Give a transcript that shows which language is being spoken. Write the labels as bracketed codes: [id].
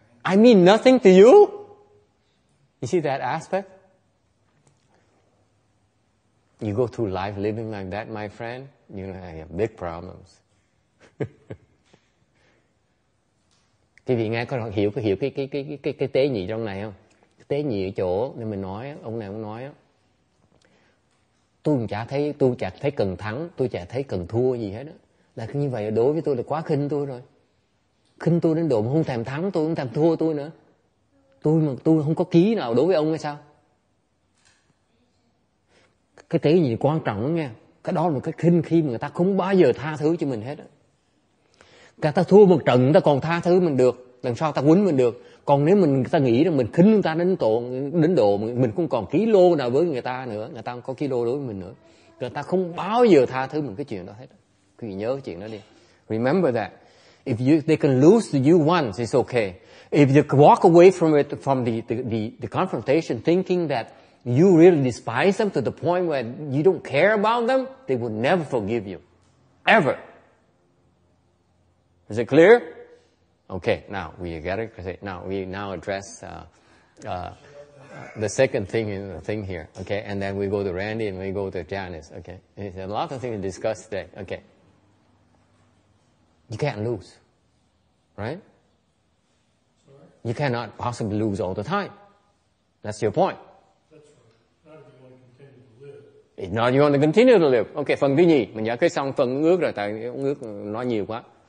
[en] I mean nothing to you? You see that aspect? You go through life living like that, my friend, you know, I have big problems. [vi] Cái vị nghe có hiểu cái tế nhị trong này không? Cái tế nhị ở chỗ nên mình nói, ông này cũng nói á. Tôi chả thấy cần thắng, tôi chả thấy cần thua gì hết á. Là như vậy đối với tôi là quá khinh tôi rồi. Khinh tôi đến độ mà không thèm thắng tôi, không thèm thua tôi nữa. Tôi không có ký nào đối với ông hay sao? Cái tế nhị quan trọng đó nghe. Cái đó là một cái khinh khi mà người ta không bao giờ tha thứ cho mình hết á. Cả ta thua một trận ta còn tha thứ mình được, lần sau ta quýnh mình được. Còn nếu mình ta nghĩ rằng mình khinh người ta đến độ mình không còn ký lô nào với người ta nữa, người ta không có ký lô đối với mình nữa, người ta không bao giờ tha thứ mình cái chuyện đó hết. Quý vị nhớ cái chuyện đó đi. [en] Remember that if they can lose to you once, it's okay. If they walk away from it, from the confrontation, thinking that you really despise them to the point where you don't care about them, they will never forgive you, ever. Is it clear? Okay, now we get it. Now we now address the second thing in the thing here. Okay, and then we go to Randy and we go to Janice. Okay, there's a lot of things to discuss today. Okay, you can't lose, right? You cannot possibly lose all the time. That's your point. That's right. Not if you want to continue to live. [vi] Okay, phần thứ nhì mình giải quyết xong phần ước rồi, tại ông ước nói nhiều quá.